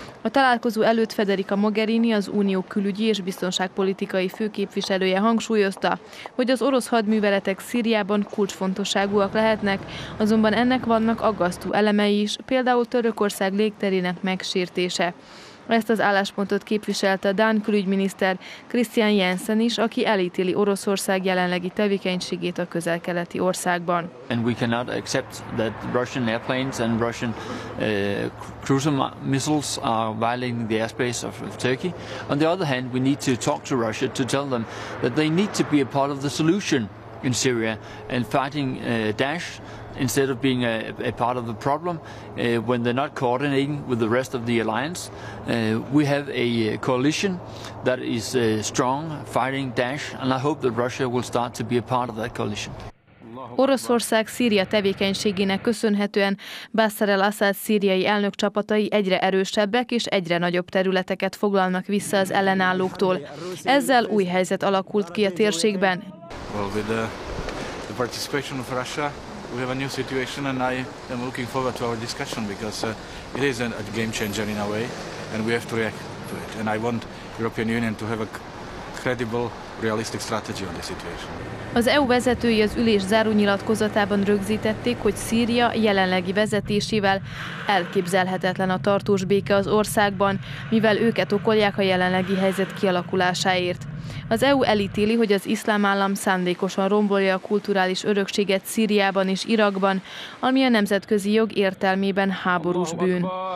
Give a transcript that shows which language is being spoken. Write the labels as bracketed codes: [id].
[hu] A találkozó előtt Federica Mogherini, az unió külügyi és biztonságpolitikai főképviselője hangsúlyozta, hogy az orosz hadműveletek Szíriában kulcsfontosságúak lehetnek, azonban ennek vannak aggasztó elemei is, például Törökország légterének megsértése. Ezt az álláspontot képviselte a dán külügyminiszter Christian Jensen is, aki elítéli Oroszország jelenlegi tevékenységét a közel-keleti országban. [en] And we cannot accept that Russian airplanes and Russian cruise missiles are violating the airspace of Turkey. On the other hand, we need to talk to Russia to tell them that they need to be a part of the solution in Syria and fighting Daesh. Instead of being a part of the problem, when they're not coordinating with the rest of the alliance, we have a coalition that is strong, fighting Daesh, and I hope that Russia will start to be a part of that coalition. [hu] Oroszország Szíria tevékenységének köszönhetően Bashar al-Assad szíriai elnök csapatai egyre erősebbek és egyre nagyobb területeket foglalnak vissza az ellenállóktól. Ezzel új helyzet alakult ki a térségben. [en] Well, with the participation of Russia, we have a new situation, and I am looking forward to our discussion because it is a game changer in a way, and we have to react to it. And I want European Union to have a credible, realistic strategy on this situation. [hu] Az EU vezetői az ülés zárónyilatkozatában rögzítették, hogy Szíria jelenlegi vezetésével elképzelhetetlen a tartós béke az országban, mivel őket okolják a jelenlegi helyzet kialakulásáért. Az EU elítéli, hogy az iszlám állam szándékosan rombolja a kulturális örökséget Szíriában és Irakban, ami a nemzetközi jog értelmében háborús bűn.